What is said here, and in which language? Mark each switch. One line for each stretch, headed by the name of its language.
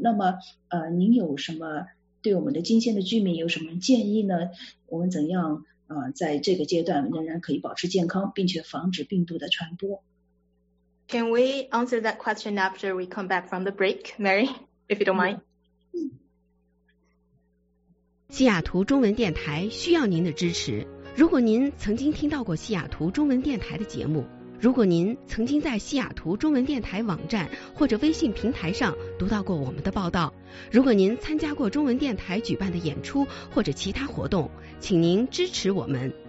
Chinese: 那么您有什么对我们的金县的居民有什么建议呢？我们怎样？在这个阶段仍然可以保持健康，并且防止病毒的传播。
English: Can we answer that question after we come back from the break, Mary, if you don't mind?
Chinese: 西雅图中文电台需要您的支持。如果您曾经听到过西雅图中文电台的节目，如果您曾经在西雅图中文电台网站或者微信平台上读到过我们的报道，如果您参加过中文电台举办的演出或者其他活动，请您支持我们。